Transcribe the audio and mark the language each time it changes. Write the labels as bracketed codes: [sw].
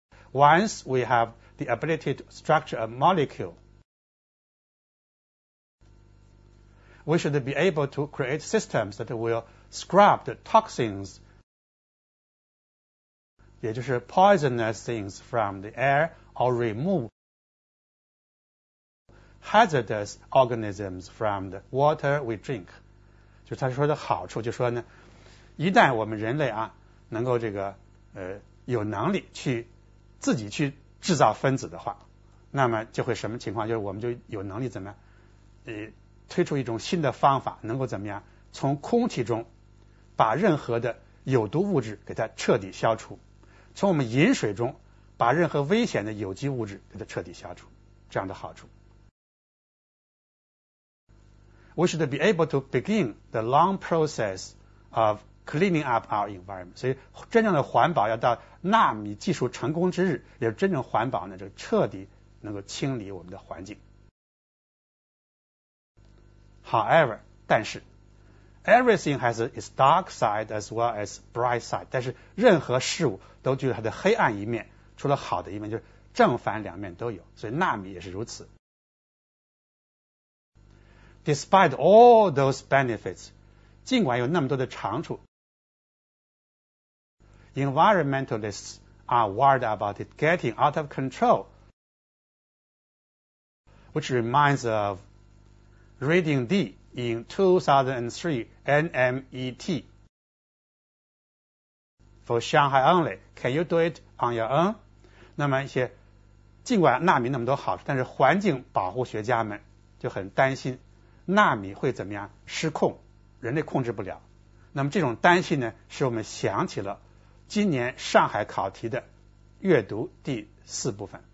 [en] Once we have the ability to structure a molecule, we should be able to create systems that will scrub the toxins, [zh] 也就是 [en] poisonous things from the air, or remove hazardous organisms from the water we drink. [zh] 就他说的好处，就说呢，一旦我们人类啊能够这个有能力去自己去制造分子的话，那么就会什么情况？就是我们就有能力怎么样推出一种新的方法，能够怎么样从空气中把任何的有毒物质给它彻底消除，从我们饮水中把任何危险的有机物质给它彻底消除，这样的好处。 [en] We should be able to begin the long process of cleaning up our environment. [zh] 所以真正的环保要到纳米技术成功之日，也是真正环保呢，就彻底能够清理我们的环境。 [en] However, [zh] 但是 [en] everything has its dark side as well as bright side. [zh] 但是任何事物都具有它的黑暗一面，除了好的一面，就是正反两面都有。所以纳米也是如此。 [en] Despite all those benefits, [zh] 尽管有那么多的长处 [en] environmentalists are worried about it getting out of control, which reminds of Reading D in 2003 NMET. For Shanghai only, can you do it on your own? [zh] 那么一些尽管纳米那么多好处，但是环境保护学家们就很担心纳米会怎么样失控，人类控制不了。那么这种担心呢，使我们想起了今年上海考题的阅读第四部分。